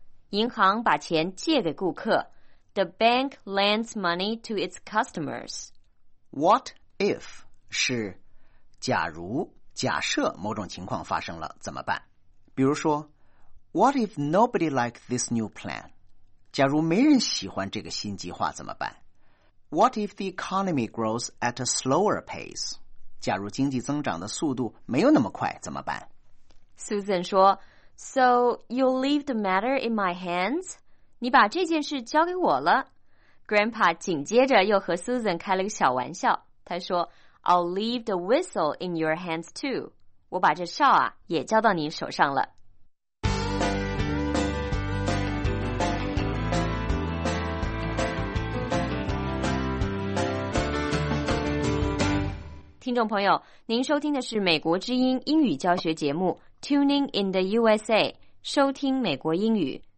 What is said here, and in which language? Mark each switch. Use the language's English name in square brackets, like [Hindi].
[Chinese] 银行把钱借给顾客 [English] ，The bank lends money to its customers. [Chinese] What if 是假如、假设某种情况发生了怎么办？比如说。 [English] What if nobody likes this new plan? [Chinese] 假如没人喜欢这个新计划怎么办？ [English] What if the economy grows at a slower pace? [Chinese] 假如经济增长的速度没有那么快怎么办？ [English] Susan 说 So you'll leave the matter in my hands? [Chinese] 你把这件事交给我了？ Grandpa 紧接着又和 Susan 开了个小玩笑。他说 [English] I'll leave the whistle in your hands too. [Chinese] 我把这哨啊也交到你手上了。听众朋友，您收听的是美国之音英语教学节目 Tuning in the USA， 收听美国英语。